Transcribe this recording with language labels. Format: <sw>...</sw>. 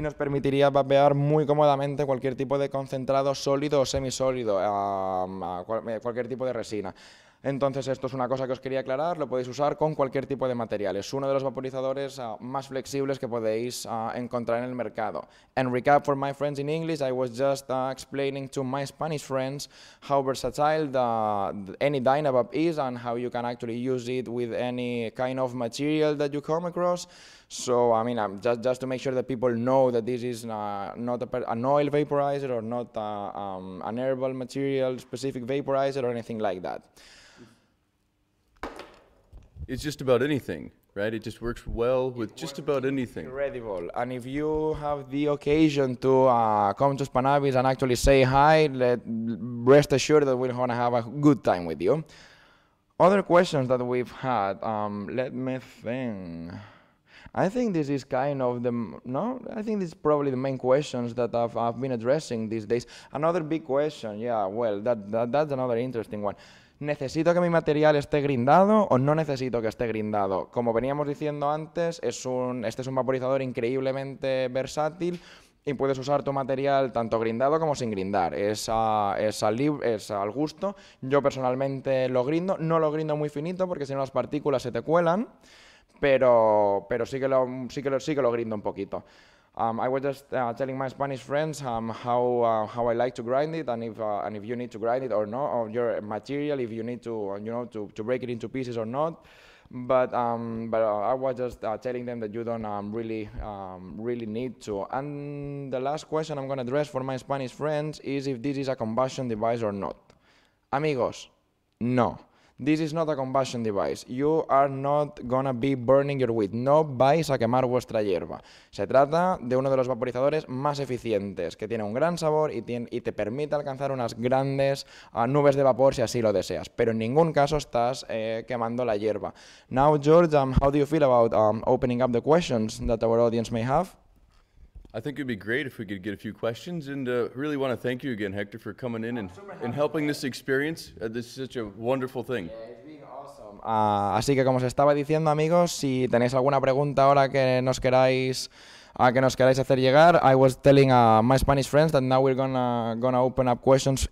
<es>y nos permitiría vapear muy cómodamente cualquier tipo de concentrado sólido o semisólido, cualquier tipo de resina. Entonces, esto es una cosa que os quería aclarar, lo podéis usar con cualquier tipo de material. Es uno de los vaporizadores más flexibles que podéis encontrar en el mercado.</es> <en>And recap for my friends in English, I was just explaining to my Spanish friends how versatile any DynaVap is and how you can actually use it with any kind of material that you come across. So, I mean, just to make sure that people know that this is not an oil vaporizer or not an herbal material specific vaporizer or anything like that. It's just about anything, right? It just works well with just about anything. Incredible. And if you have the occasion to come to Spannabis and actually say hi, rest assured that we're going to have a good time with you. Other questions that we've had, let me think. I think this is kind of I think this is probably the main questions that I've been addressing these days. Another big question, yeah, well, that's another interesting one.</en> <es>¿Necesito que mi material esté grindado o no necesito que esté grindado? Como veníamos diciendo antes, este es un vaporizador increíblemente versátil y puedes usar tu material tanto grindado como sin grindar. Es al gusto. Yo personalmente lo grindo. No lo grindo muy finito porque si no las partículas se te cuelan, pero sí que lo grindo un poquito.</es> <en>I was just telling my Spanish friends how I like to grind it, and if you need to grind it or not, or your material, if you need to to break it into pieces or not. But I was just telling them that you don't really need to. And the last question I'm going to address for my Spanish friends is if this is a combustion device or not.</en> <es>Amigos, no.</es> <en>This is not a combustion device. You are not gonna be burning your weed.</en> <es>No vais a quemar vuestra hierba. Se trata de uno de los vaporizadores más eficientes, que tiene un gran sabor y te permite alcanzar unas grandes nubes de vapor si así lo deseas. Pero en ningún caso estás quemando la hierba.</es> <en>Now, George, how do you feel about opening up the questions that our audience may have? I think it'd be great if we could get a few questions, and really want to thank you again, Hector, for coming in and helping this experience. This is such a wonderful thing.</en> <es>Así que como os estaba diciendo, amigos, si tenéis alguna pregunta ahora que nos queráis hacer llegar,</es> <en>I was telling my Spanish friends that now we're gonna open up questions.</en>